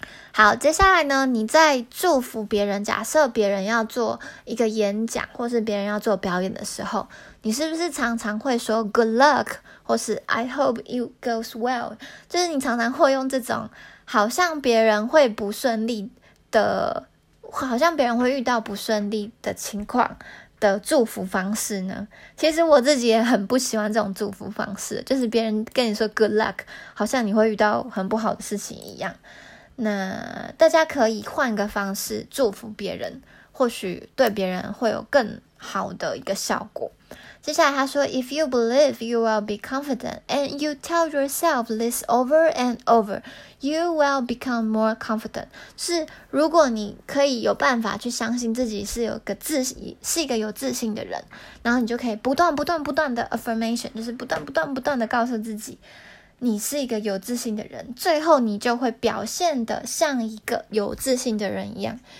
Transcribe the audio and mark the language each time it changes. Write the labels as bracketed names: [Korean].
[Chinese] 好，接下来呢，你在祝福别人，假设别人要做一个演讲或是别人要做表演的时候，你是不是常常会说 [English] good luck [Chinese] 或是 [English] I hope it goes well， [Chinese] 就是你常常会用这种好像别人会不顺利的，好像别人会遇到不顺利的情况的祝福方式呢？其实我自己也很不喜欢这种祝福方式，就是别人跟你说 [English] good luck， [Chinese] 好像你会遇到很不好的事情一样。那大家可以换个方式祝福别人，或许对别人会有更好的一个效果。接下来他说 [English] If you believe you will be confident and you tell yourself this over and over, you will become more confident. [Chinese] 是如果你可以有办法去相信自己是有个自信，是一个有自信的人，然后你就可以不断不断不断的 affirmation， 就是不断不断不断的告诉自己你是一个有自信的人，最后你就会表现得像一个有自信的人一样。